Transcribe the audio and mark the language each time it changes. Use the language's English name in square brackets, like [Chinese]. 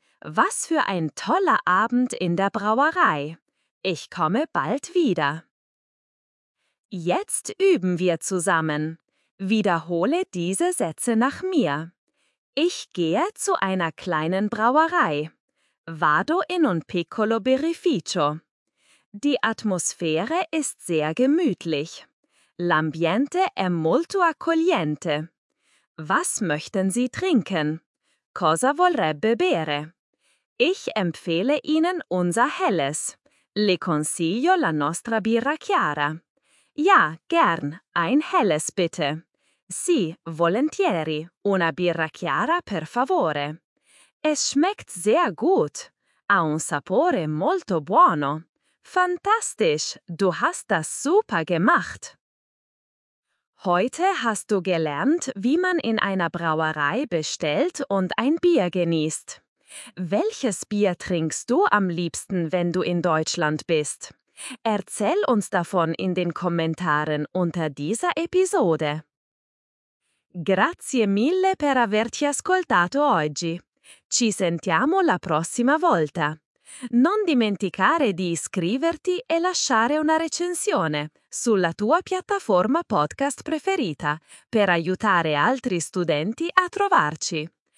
[German] Was für ein toller Abend in der Brauerei. Ich komme bald wieder. Jetzt üben wir zusammen. Wiederhole diese Sätze nach mir. Ich gehe zu einer kleinen Brauerei. [Italian] Vado in un piccolo birrificio. [German] Die Atmosphäre ist sehr gemütlich. [Italian] L'ambiente è molto accogliente. [German] Was möchten Sie trinken? [Italian] Cosa vorrebbe bere? [German] Ich empfehle Ihnen unser Helles. [Italian] Le consiglio la nostra birra chiara. [German] Ja, gern, ein Helles bitte. [Italian] Sì, volentieri, una birra chiara per favore. [German] Es schmeckt sehr gut. [Italian] Ha un sapore molto buono. [German] Fantastisch, du hast das super gemacht. Heute hast du gelernt, wie man in einer Brauerei bestellt und ein Bier genießt. Welches Bier trinkst du am liebsten, wenn du in Deutschland bist? Erzähl uns davon in den Kommentaren unter dieser Episode. [Italian] Grazie mille per averti ascoltato oggi. Ci sentiamo la prossima volta. Non dimenticare di iscriverti e lasciare una recensione sulla tua piattaforma podcast preferita per aiutare altri studenti a trovarci.